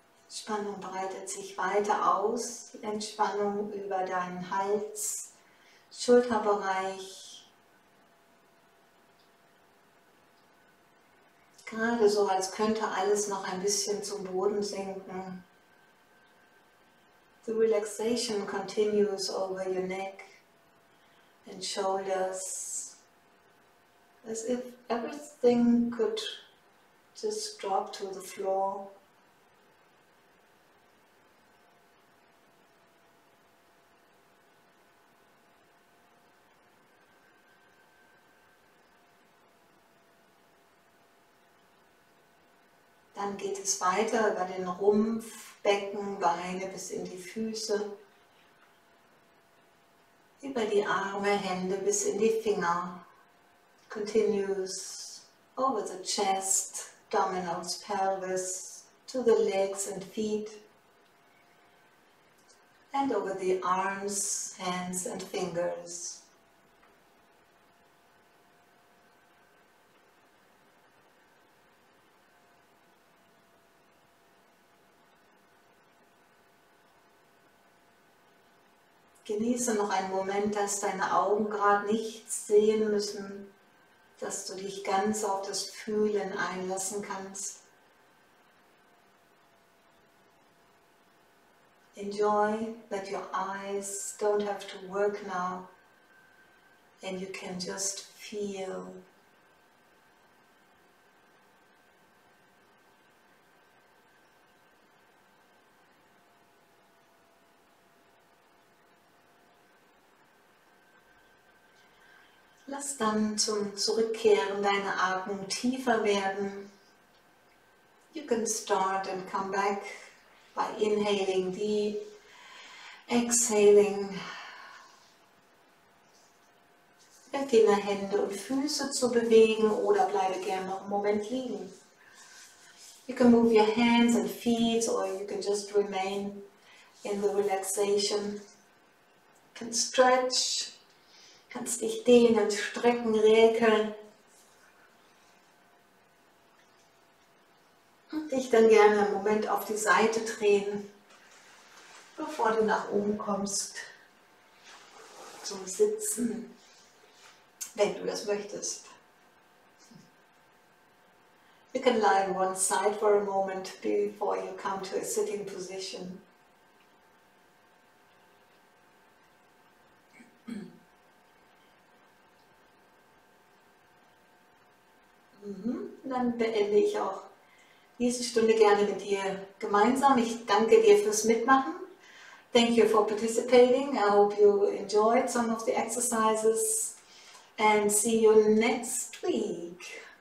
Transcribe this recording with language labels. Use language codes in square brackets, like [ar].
[de] Spannung breitet sich weiter aus, die Entspannung über deinen Hals, Schulterbereich. Gerade so, als könnte alles noch ein bisschen zum Boden sinken. [en] The relaxation continues over your neck and shoulders, as if everything could just drop to the floor. [de] Dann geht es weiter über den Rumpf, Becken, Beine bis in die Füße, über die Arme, Hände bis in die Finger. [en] Continues over the chest, abdominals, pelvis, to the legs and feet, and over the arms, hands and fingers. [de] Genieße noch einen Moment, dass deine Augen gerade nichts sehen müssen, dass du dich ganz auf das Fühlen einlassen kannst. [en] Enjoy that your eyes don't have to work now and you can just feel. [de] Lass dann zum Zurückkehren deine Atmung tiefer werden. [en] You can start and come back by inhaling deep, exhaling. [de] Beginne Hände und Füße zu bewegen oder bleibe gerne noch einen Moment liegen. [en] You can move your hands and feet or you can just remain in the relaxation. You can stretch. [de] Kannst dich dehnen, strecken, räkeln und dich dann gerne einen Moment auf die Seite drehen, bevor du nach oben kommst zum Sitzen, wenn du das möchtest. [en] You can lie on one side for a moment before you come to a sitting position. [de] Dann beende ich auch diese Stunde gerne mit dir gemeinsam. Ich danke dir fürs Mitmachen. [en] Thank you for participating. I hope you enjoyed some of the exercises. And see you next week.